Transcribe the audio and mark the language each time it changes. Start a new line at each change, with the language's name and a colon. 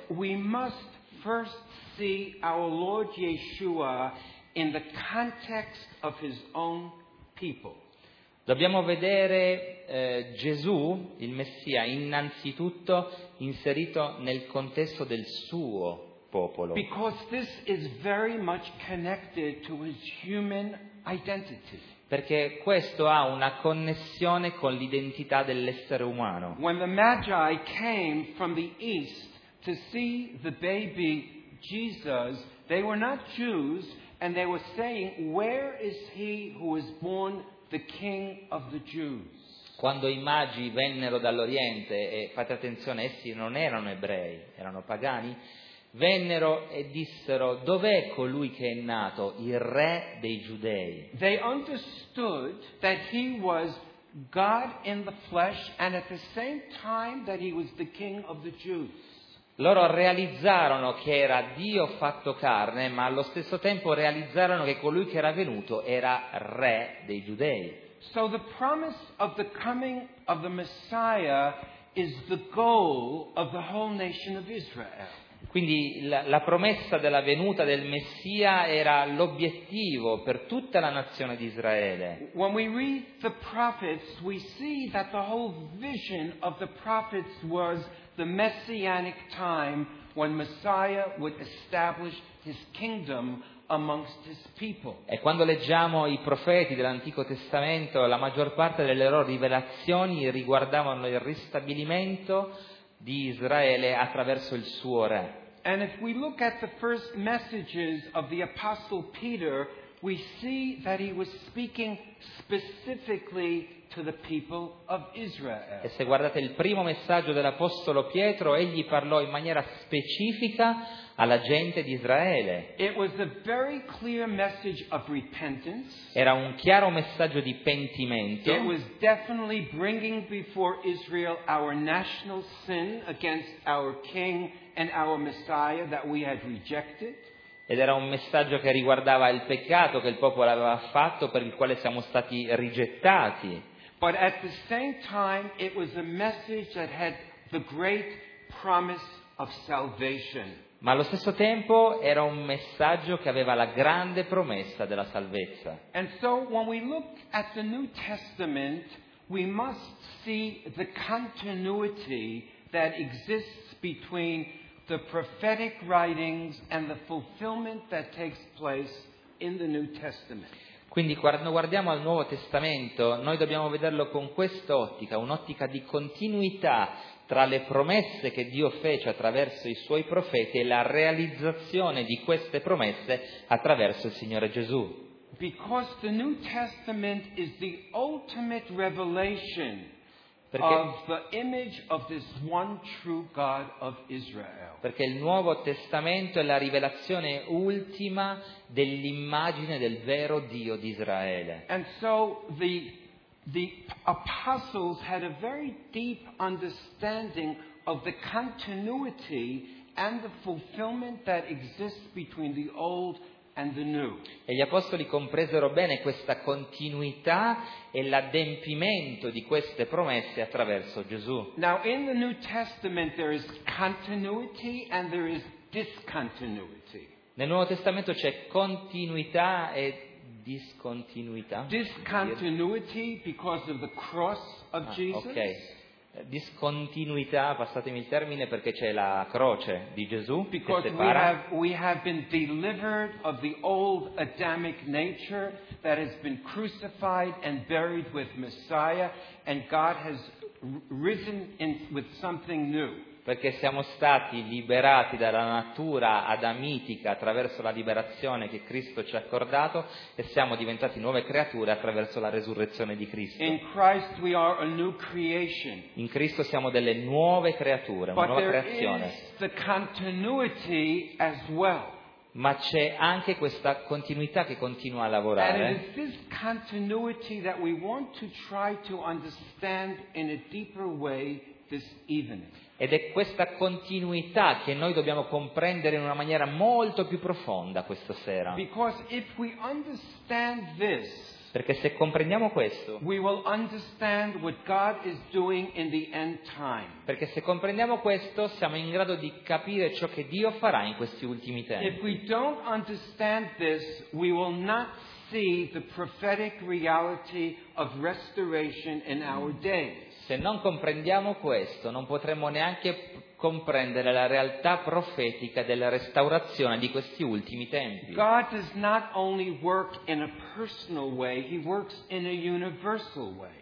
English: We must first see our Lord Yeshua in the context of his own people.
Italian: Dobbiamo vedere Gesù, il Messia, innanzitutto inserito nel contesto del suo popolo.
English: Because this is very much connected to his human identity.
Italian: perché questo ha una connessione con l'identità dell'essere umano.
English: When the Magi came from the east to see the baby Jesus, they were not Jews, and they were saying, "Where is he who was born the King of the Jews?"
Italian: Quando i Magi vennero dall'Oriente, e fate attenzione, essi non erano ebrei, erano pagani, vennero e dissero: "Dov'è colui che è nato, il re dei Giudei?"
English: They understood that he was God in the flesh and at the same time that he was the King of the Jews.
Italian: Loro realizzarono che era Dio fatto carne, ma allo stesso tempo realizzarono che colui che era venuto era re dei Giudei.
English: So the promise of the coming of the Messiah is the goal of the whole nation of Israel.
Italian: Quindi la promessa della venuta del Messia era l'obiettivo per tutta la nazione di Israele.
English: When we read the prophets, we see that the whole vision of the prophets was the messianic time when Messiah would establish his kingdom amongst his people.
Italian: E quando leggiamo i profeti dell'Antico Testamento, la maggior parte delle loro rivelazioni riguardavano il ristabilimento di Israele attraverso il suo re.
English: And if we look at the first messages of the Apostle Peter, we see that he was speaking specifically to the people of Israel.
Italian: E se guardate il primo messaggio dell'Apostolo Pietro, egli parlò in maniera specifica alla gente di Israele.
English: It was a very clear message of repentance.
Italian: Era un chiaro messaggio di pentimento.
English: It was definitely bringing before Israel our national sin against our King and our Messiah that we had rejected.
Italian: Ed era un messaggio che riguardava il peccato che il popolo aveva fatto, per il quale siamo stati rigettati.
English: But at the same time it was a message that had the great promise of salvation.
Italian: Ma allo stesso tempo era un messaggio che aveva la grande promessa della salvezza.
English: And so when we look at the New Testament, we must see the continuity that exists between the prophetic writings and the fulfillment that takes place in the New Testament.
Italian: Quindi quando guardiamo al Nuovo Testamento, noi dobbiamo vederlo con quest'ottica, un'ottica di continuità tra le promesse che Dio fece attraverso i suoi profeti e la realizzazione di queste promesse attraverso il Signore Gesù.
English: Because the New Testament is the ultimate revelation of the image of this one true God of Israel.
Italian: Perché il Nuovo Testamento è la rivelazione ultima dell'immagine del vero Dio di Israele.
English: And so the apostles had a very deep understanding of the continuity and the fulfillment that exists between the old and the new.
Italian: E gli apostoli compresero bene questa continuità e l'adempimento di queste promesse attraverso Gesù.
English: Now in the New Testament there is continuity and there is discontinuity.
Italian: Nel Nuovo Testamento c'è continuità e discontinuità.
English: Discontinuity because of the cross of Jesus. Okay.
Italian: Discontinuità, passatemi il termine, perché c'è la croce di Gesù che separa.
English: We have been delivered of the old Adamic nature that has been crucified and buried with Messiah, and God has risen in with something new.
Italian: Perché siamo stati liberati dalla natura adamitica attraverso la liberazione che Cristo ci ha accordato e siamo diventati nuove creature attraverso la resurrezione di Cristo.
English: In Christ we are a new creation.
Italian: In Cristo siamo delle nuove creature, una
English: But
Italian: nuova
English: there
Italian: creazione.
English: Is the continuity as well.
Italian: Ma c'è anche questa continuità che continua a lavorare.
English: And it is this continuity that we want to try to understand in a deeper way this evening.
Italian: Ed è questa continuità che noi dobbiamo comprendere in una maniera molto più profonda questa sera.
English: Because if we understand this,
Italian: perché se comprendiamo questo,
English: we will understand what God is doing in the end time.
Italian: Perché se comprendiamo questo, siamo in grado di capire ciò che Dio farà in questi ultimi tempi.
English: If we don't understand this, we will not see the prophetic reality of restoration in our days.
Italian: Se non comprendiamo questo, non potremmo neanche comprendere la realtà profetica della restaurazione di questi ultimi tempi.
English: God does not only work in a personal way, he works in a universal way.